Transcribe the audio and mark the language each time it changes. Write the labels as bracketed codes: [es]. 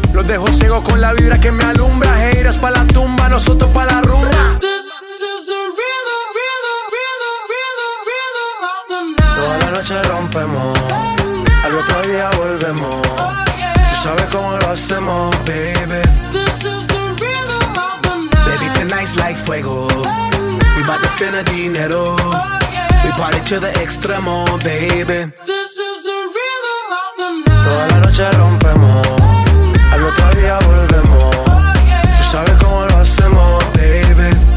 [es] Los dejo ciego con la vibra que me alumbra. Heiras pa' la tumba, nosotros pa' la rumba. Rompemos, al otro día volvemos. Tú sabes cómo lo hacemos, baby. [en] This is the rhythm of the night. Baby, tonight's like fuego. We bout to spend a dinero. We party to the extremo, baby. This is the rhythm of the night. [es] Toda la noche rompemos, al otro día volvemos. Tú sabes cómo lo hacemos, baby.